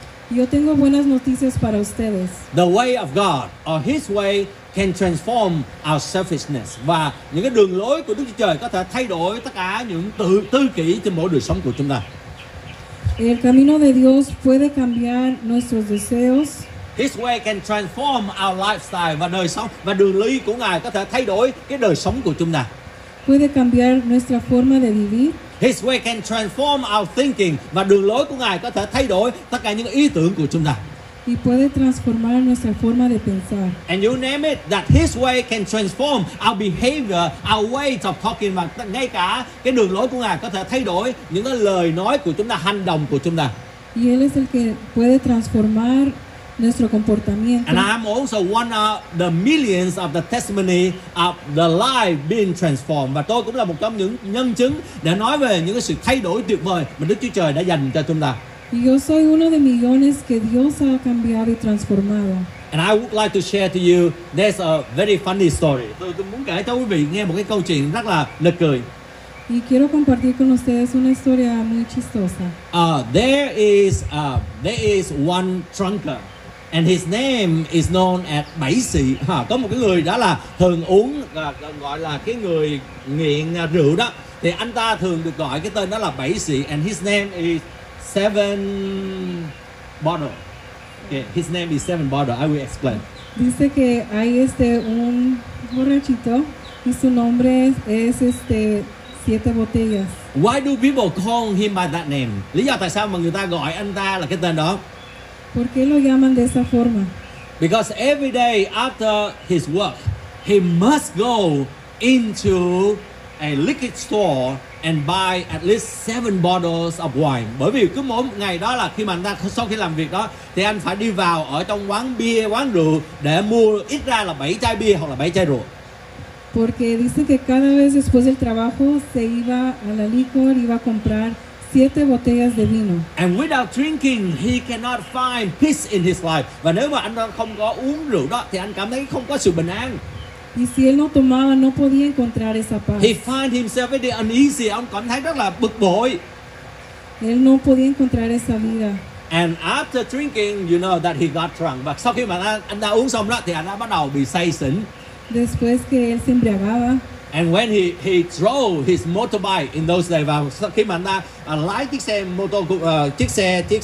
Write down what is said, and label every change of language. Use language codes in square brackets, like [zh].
[es] Yo tengo buenas noticias para ustedes. [en] The way of God or His way can transform our selfishness. [vi] Và những cái đường lối của Đức Chúa Trời có thể thay đổi tất cả những tư kỷ trên mỗi đời sống của chúng ta. [es] El camino de Dios puede cambiar nuestros deseos. [en] His way can transform our lifestyle, [vi] và đời sống và đường lối của Ngài có thể thay đổi cái đời sống của chúng ta. [es] Puede cambiar nuestra forma de vivir. [en] His way can transform our thinking, [vi] và đường lối của Ngài có thể thay đổi tất cả những ý tưởng của chúng ta. [es] Y puede transformar nuestra forma de pensar. [en] And you name it, that His way can transform our behavior, our way of talking, [vi] và ngay cả cái đường lối của Ngài có thể thay đổi những cái lời nói của chúng ta, hành động của chúng ta. [es] Y Él es el que puede transformar nuestro comportamiento. [en] And I'm also one of the millions of the testimony of the life being transformed. [vi] Và tôi cũng là một trong những nhân chứng để nói về những cái sự thay đổi tuyệt vời mà Đức Chúa Trời đã dành cho chúng ta. [es] Y yo soy uno de millones que Dios ha cambiado y transformado. [en] And I would like to share to you, there's a very funny story. [vi] Tôi muốn kể cho quý vị nghe một cái câu chuyện rất là nực cười. [es] Y quiero compartir con ustedes una historia muy chistosa. [en] There is one drunker. And his name is known as Bảy Sĩ. [vi] Có một cái người đó là thường uống, gọi là cái người nghiện rượu đó. Thì anh ta thường được gọi cái tên đó là Bảy Sĩ. [en] And his name is Seven Bottle. Okay, his name is Seven Bottle. I will explain. [es] Dice que hay un borrachito y su nombre es Siete Botellas. [en] Why do people call him by that name? [vi] Lý do tại sao mà người ta gọi anh ta là cái tên đó? [es] ¿Por qué lo llaman de esa forma? [en] Because every day after his work, he must go into a liquor store and buy at least 7 bottles of wine. [vi] Bởi vì cứ mỗi ngày đó là khi mà anh ta sau khi làm việc đó, thì anh phải đi vào ở trong quán bia, quán rượu để mua ít ra là 7 chai bia hoặc là 7 chai rượu. [es] Porque dice que cada vez después del trabajo se iba a la licor, iba a comprar 7 botellas de vino. [en] And without drinking, he cannot find peace in his life. [vi] Và nếu mà anh không có uống rượu đó, thì anh cảm thấy không có sự bình an. [es] Y si él no tomaba, no podía encontrar esa paz. [en] He found himself very uneasy. [vi] Ông cảm thấy rất là bực bội. [es] Él no podía encontrar esa vida. [en] And after drinking, you know that he got drunk. [vi] But sau khi mà anh đã uống xong đó, thì anh đã bắt đầu bị say xỉn. [es] Después que él se embriagaba. [en] And when he drove his motorbike in those days, [vi] và sau khi mà anh đã lái chiếc xe mô tô, chiếc xe